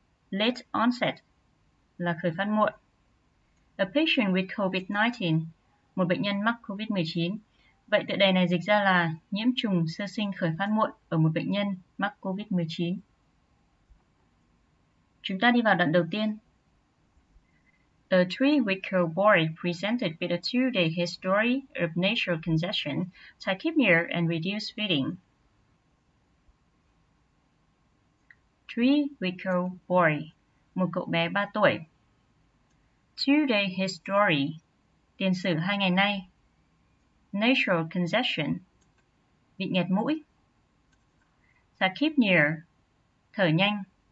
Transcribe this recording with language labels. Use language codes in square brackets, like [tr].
[vi] Late onset là khởi phát muộn. [en] A patient with COVID-19, [vi] một bệnh nhân mắc COVID-19. Vậy tựa đề này dịch ra là nhiễm trùng sơ sinh khởi phát muộn ở một bệnh nhân mắc COVID-19. Chúng ta đi vào đoạn đầu tiên. [en] A three-week-old boy presented with a two-day history of nasal congestion, tachypnea, and reduced feeding. Three-week-old boy, [vi] một cậu bé 3 tuổi. [en] Two-day history, [vi] tiền sử 2 ngày nay. [en] Nasal congestion, [vi] bị nghẹt mũi. Tachypnea, thở nhanh.